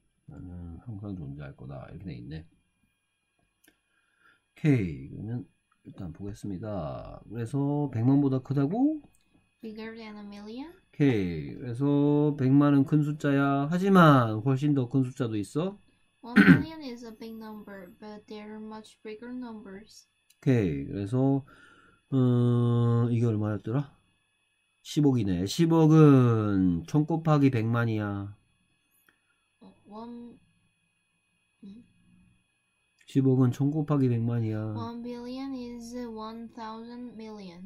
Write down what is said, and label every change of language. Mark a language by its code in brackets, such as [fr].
[ko] 나는 항상 존재할 거다. 이렇게 돼 있네. 오케이. 그러면 일단 보겠습니다. 그래서 100만보다 크다고? [en] Bigger than a million? [ko] 오케이. 그래서 100만은 큰 숫자야. 하지만 훨씬 더큰 숫자도 있어? [en] 1 million is a big number, but there are much bigger numbers. [ko] 오케이. 그래서 이게 얼마였더라? 10억이네. 10억은 1000 곱하기 100만이야. 10억은 1000 곱하기 100만이야. [en] 1 billion is 1,000 million.